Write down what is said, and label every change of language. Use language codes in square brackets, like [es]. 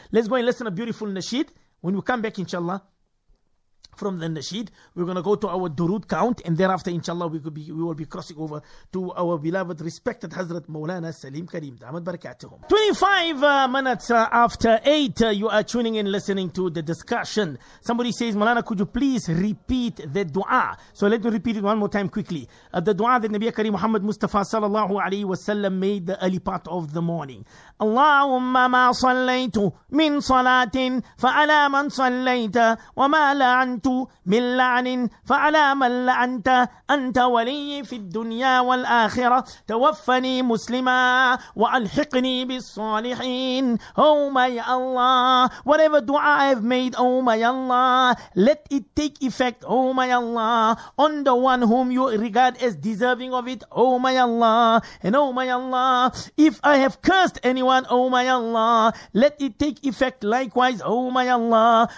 [en] Let's go and listen to a beautiful nasheed. When we come back, inshallah, from the nasheed, we're going to go to our durood count, and thereafter, inshallah, we will be crossing over to our beloved, respected Hazrat Mawlana Salim Kareem. 25 minutes after 8, you are tuning in, listening to the discussion. Somebody says, Mawlana, could you please repeat the dua? So let me repeat it one more time quickly. The dua that Nabi Kareem Muhammad Mustafa sallallahu alayhi wa sallam made the early part of the morning. [ar] Allahumma ma sallaytu min salatin fa'ala man sallayta wa ma la'an من لعن فعلى من لعنت أنت ولي في الدنيا والآخرة توفني مسلما وألحقني بالصالحين. [en] Oh my Allah, whatever dua I have made, oh my Allah, let it take effect, oh my Allah, on the one whom you regard as deserving of it, oh my Allah. And oh my Allah, if I have cursed anyone, oh my Allah, let it take effect likewise, oh my Allah.